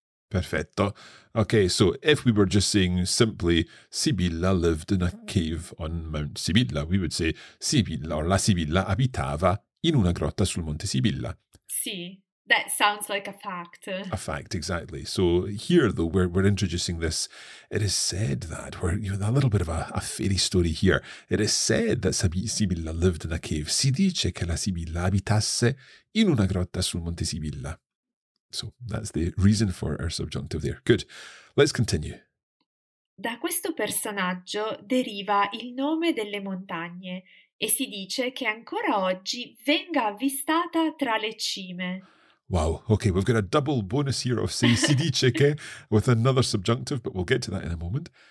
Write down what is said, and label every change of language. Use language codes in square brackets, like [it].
[en] Perfetto. Okay, so if we were just saying simply, Sibilla lived in a cave on Mount Sibilla, we would say, Sibilla or [it] la Sibilla abitava in una grotta sul Monte Sibilla. [en] Sì. That sounds like a fact. A fact, exactly. So here, though, we're introducing this. It is said that, we're you know, a little bit of a fairy story here. It is said that Sibilla lived in a cave. [it] Si dice che la Sibilla abitasse in una grotta sul Monte Sibilla. [en] So that's the reason for our subjunctive there. Good. Let's continue. [it] Da questo personaggio deriva il nome delle montagne e si dice che ancora oggi venga avvistata tra le cime. [en] Wow, okay, we've got a double bonus here of say, [it] si dice che, [en] with another subjunctive, but we'll get to that in a moment.